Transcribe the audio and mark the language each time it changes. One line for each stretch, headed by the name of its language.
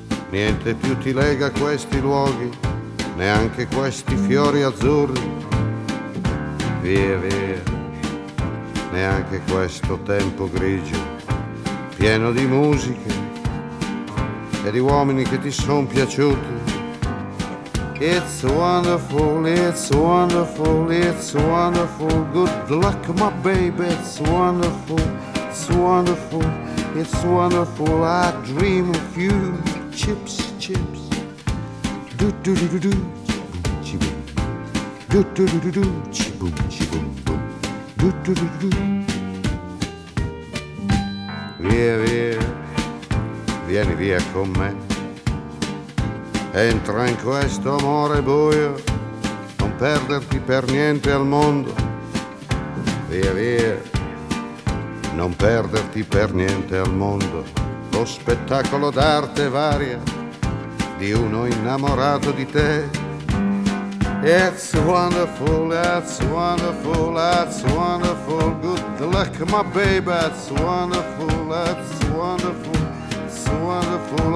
Italian: Niente più ti lega a questi luoghi, neanche questi fiori azzurri. Via, via, neanche questo tempo grigio, pieno di musiche e di uomini che ti son piaciuti.
English: It's wonderful, it's wonderful, it's wonderful. Good luck, my baby, it's wonderful, it's wonderful, it's wonderful. I dream of you, chips, chips. Do do do do do, chibum chibum. Do do do do do, chibum chibum boom. Do do do do do.
Italian: Via via, vieni via con me. Entra in questo amore buio, non perderti per niente al mondo. Via via, non perderti per niente al mondo. Lo spettacolo d'arte varia di uno innamorato di te.
English: It's wonderful, that's wonderful, that's wonderful. Good luck, my baby, it's wonderful, that's wonderful, it's wonderful.